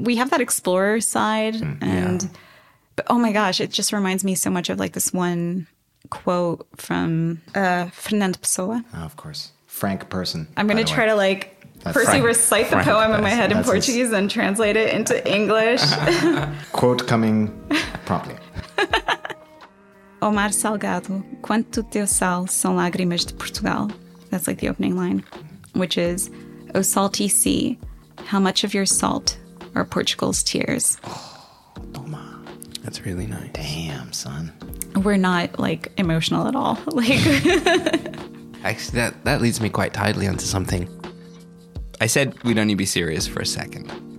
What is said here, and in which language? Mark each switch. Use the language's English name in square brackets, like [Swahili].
[English] We have that explorer side. But oh my gosh, it just reminds me so much of like this one quote from Fernando Pessoa. Oh, of course. Frank Person. I'm going to try to like firstly recite the poem in my head in Portuguese and translate it into English. Quote coming promptly. [Portuguese] O mar salgado, quanto teu sal são lágrimas de Portugal. [English] That's like the opening line, which is, O salty sea, how much of your salt are Portugal's tears? [Portuguese] Oh, toma. [English] That's really nice. Damn, son. We're not like emotional at all. Like, actually, that leads me quite tidily onto something. I said we'd only be serious for a second.